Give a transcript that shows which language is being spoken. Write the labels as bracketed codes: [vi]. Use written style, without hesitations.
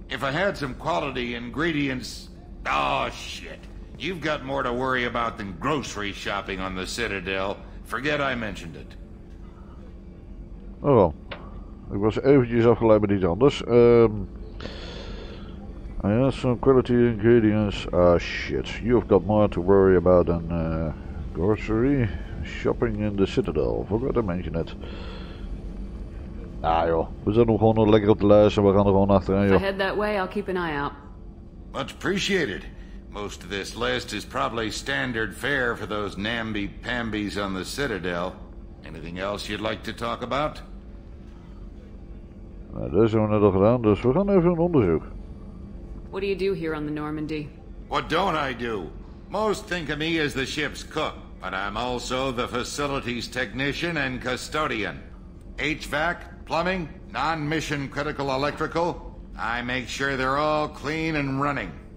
[en] If I had some quality ingredients... Oh, shit. You've got more to worry about than grocery shopping on the Citadel. Forget I mentioned it. Oh, well. [nl] Ik was eventjes afgeleid, maar niet anders. [en] I had some quality ingredients... Oh, shit. You've got more to worry about than grocery shopping in the Citadel. Forget I mentioned it. [nl] Ah joh, we zijn nog gewoon lekker op de lijst en we gaan er gewoon achteraan joh. [en] If I head that way, I'll keep an eye out. Much appreciated. Most of this list is probably standard fare for those namby-pambies on the Citadel. Anything else you'd like to talk about? [nl] Nou, dat hebben we net al gedaan, dus we gaan even een onderzoek. [en] What do you do here on the Normandy? What don't I do? Most think of me as the ship's cook, but I'm also the facilities technician and custodian. HVAC? Plumbing, non-mission critical electrical. I make sure they're all clean and running.